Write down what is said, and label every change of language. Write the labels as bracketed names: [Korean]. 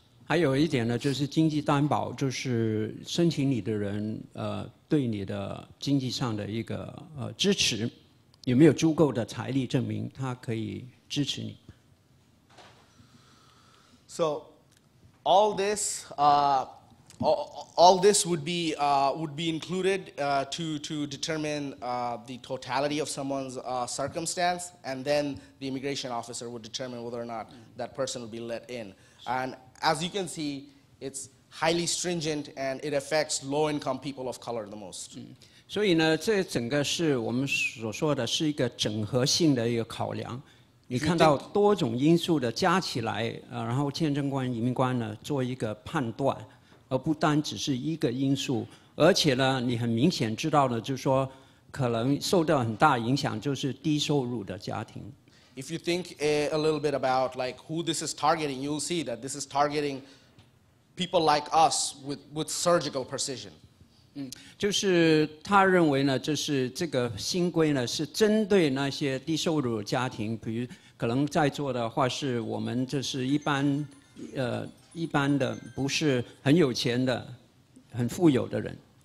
[Chinese] 还有一点呢，就是经济担保，就是申请你的人对你的经济上的一个支持，有没有足够的财力证明他可以支持你 [English] ？So all this would be included to determine the totality of someone's circumstance, and then the immigration officer would determine whether or not that person would be let in. And as you can see, it's highly stringent, and it affects low-income people of color the most. [Chinese] 所以呢，这整个是我们所说的是一个整合性的一个考量。你看到多种因素的加起来，然后签证官、移民官呢做一个判断。而不单只是一个因素，而且呢，你很明显知道的，就是说，可能受到很大影响，就是低收入的家庭。 [English] If you think a little bit about like who this is targeting, you'll see that this is targeting people like us with surgical precision. [Chinese] 就是他认为呢，就是这个新规呢是针对那些低收入的家庭，比如可能在座的话是我们就是一般的不是很有钱的很富有的人